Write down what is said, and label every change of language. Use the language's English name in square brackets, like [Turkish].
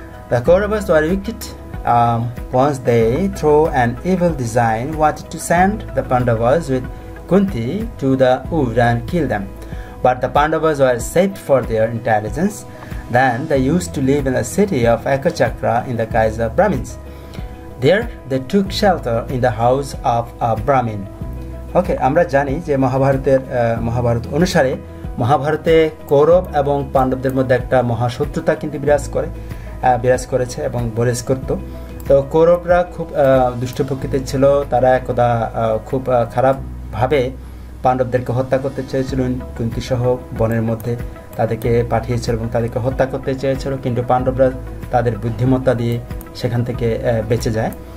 [English] The Kauravas were wicked, once they throw an evil design, wanted to send the Pandavas with Kunti to the wood and kill them, but the Pandavas were saved for their intelligence. Then they use to live in the city of Ekachakra in the guise of Brahmins. There they took shelter in the house of a Brahmin. [Bangla] Okay, আমরা জানি যে মহাভারতের মহাভারত অনুসারে মহাভারতে কৌরব এবং পাণ্ডবদের মধ্যে একটা মহাশত্রুতা কিন্তু বিরাজ করেছে এবং বরেজ করত। তো কৌরবরা খুব দুষ্ট প্রকৃতির ছিল, তারা একদা খুব খারাপভাবে পাণ্ডবদেরকে হত্যা করতে চেয়েছিল, কুন্তি সহ বনের মধ্যে তাদেরকে পাঠিয়েছিল এবং তাদেরকে হত্যা করতে চেয়েছিল, কিন্তু পাণ্ডবরা তাদের বুদ্ধিমত্তা দিয়ে সেখান থেকে বেঁচে যায়।